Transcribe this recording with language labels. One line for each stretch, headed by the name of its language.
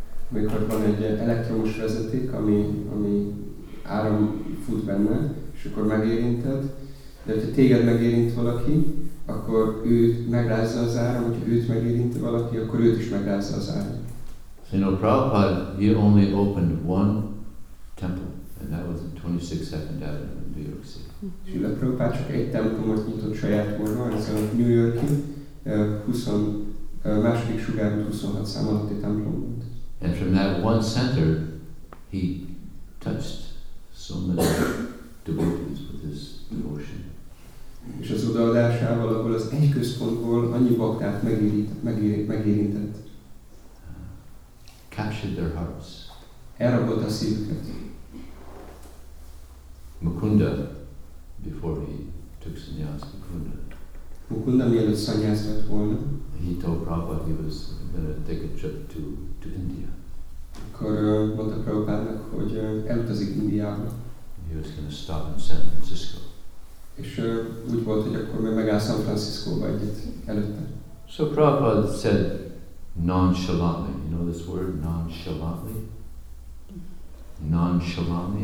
Hungarian: Amikor van egy elektromos vezeték, ami áram fut benne, és akkor megérinted, de ha téged megérint valaki, akkor ő megrázza az áram, hogyha őt megérinti valaki, akkor őt is megrázza az áram.
English: So, you know, Prabhupada, he only opened one temple, and that was in 26 Second Avenue in New York City.
Hungarian: Srila Prabhupada csak egy templomot nyitott saját korra, ez a New York-i, második sugárút 26 szám alatti templom volt.
English: And from that one center, he touched so many devotees with his devotion.
Hungarian: És az odaadásával, ahol az egy központból annyi baktát megérintett.
English: Captured their hearts.
Hungarian: Elrabolt a szívüket.
English: Mukunda, before he took sannyas, Mukunda
Hungarian: mielőtt sannyas lett volna,
English: he told Prabhupada he was going to take a trip to India.
Hungarian: Akkor mondta Prabhupádnak, hogy elutazik Indiába.
English: He was going to stop in San Francisco.
Hungarian: És úgy volt, hogy akkor még megáll San Francisco-ba egyet előtte.
English: So Prabhupada said nonchalantly. You know this word, nonchalantly? Nonchalantly?